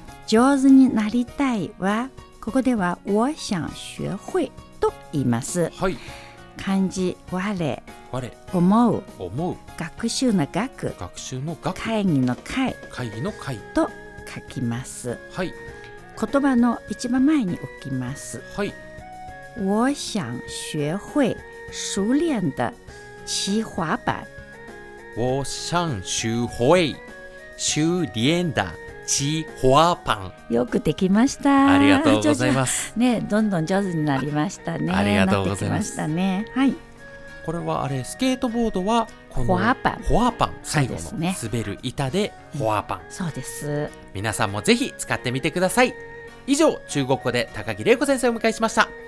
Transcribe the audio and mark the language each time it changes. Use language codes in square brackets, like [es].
[ja] 上手になりたいはここでは [zh] 我想学会 [ja] と言います、はい、漢字 [zh] 我 [ja] 思う、思う、学習の学、学習の学、会議の会、会議の会と書きます、はい、言葉の一番前に置きます、はい、 [zh] 我想学会熟練的骑滑板、我想学会熟練的骑滑板、 [ja] よくできました。ありがとうございます、ね、どんどん上手になりましたね。ありがとうございます、ね、はい、これはあれ、スケートボードはこのフォアパン、フォアパン、最後の滑る板でフォアパン、そうです、ね、皆さんもぜひ使ってみてください。以上、中国語で高木玲子先生を迎えしました。